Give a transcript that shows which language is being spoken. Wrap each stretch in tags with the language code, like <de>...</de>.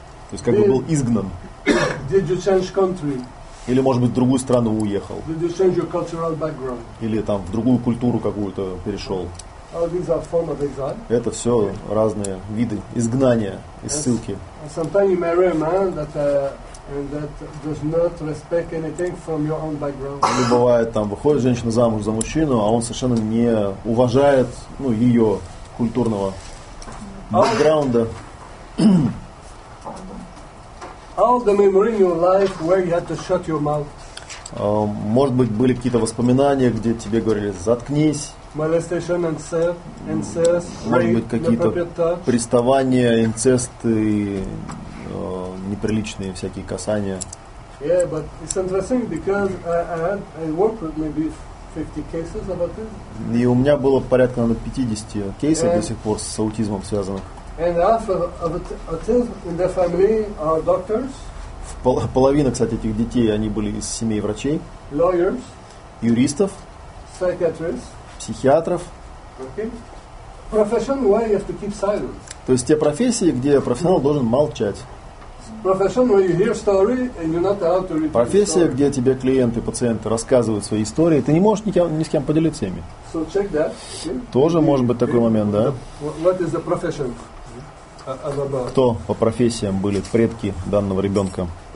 <ru>То есть как бы был изгнан.</ru> <en>Did you change country?</en> <ru>Или, может быть, в другую страну уехал.</ru> <en>Did you change your cultural background?</en> <ru>Или там в другую культуру какую-то перешел.</ru> <en>All these are form of exile.</en> <ru>Это все okay. Разные виды изгнания и ссылки.</ru> <en>Sometimes you marry a man that does not respect anything from your own background.</en> <ru>Или бывает, там выходит женщина замуж за мужчину, а он совершенно не уважает, ну, ее культурного бэкграунда.</ru> <en>All the memory in your life where you had to shut your mouth.</en> <ru>Может быть, были какие-то воспоминания, где тебе говорили «заткнись».</ru> <en>Molestation, incest,</en> <ru>может быть, какие-то приставания, инцесты, неприличные всякие касания.</ru> <en>Yeah, but it's interesting because I worked with maybe 50 cases about this.</en> <ru>И у меня было порядка, наверное, 50 кейсов до сих пор с аутизмом связанных.</ru> <en>And half of autism in the family are doctors.</en> <ru>Половина, кстати, этих детей, они были из семей врачей,</ru> <en>lawyers,</en> <ru>юристов,</ru> <en>psychiatrists,</en> <ru>психиатров.</ru> <en>Okay. Profession where you have to keep silence.</en> <ru>То есть те профессии, где профессионал должен молчать.</ru> <en>Profession where you hear story and you're not allowed to repeat.</en> <ru>Профессия, где тебе клиенты, пациенты рассказывают свои истории, ты не можешь ни с кем поделиться ими.</ru> <en>So check that. Okay.</en> <ru>Тоже может быть такой момент, да?</ru> <en>What is the profession?</en> <ru>Кто по профессиям были предки данного ребенка?</ru>